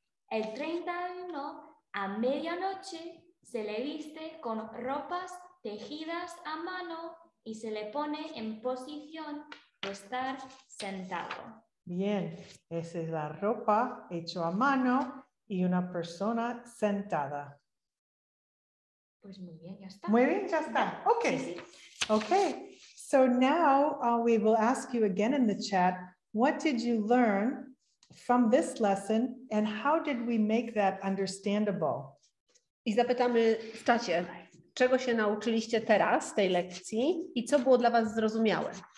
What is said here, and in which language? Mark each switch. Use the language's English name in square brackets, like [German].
[Spanish] El 31, a medianoche, se le viste con ropas tejidas a mano y se le pone en posición de estar sentado. Bien, esa es la ropa hecha a mano y una persona sentada. Pues muy bien, ya está. Muy bien, ya está. Ok. Sí, sí. Ok. [English] So now we will ask you again in the chat, what did you learn from this lesson and how did we make that understandable? [Polish] I zapytamy w czacie, czego się nauczyliście teraz z tej lekcji i co było dla was zrozumiałe?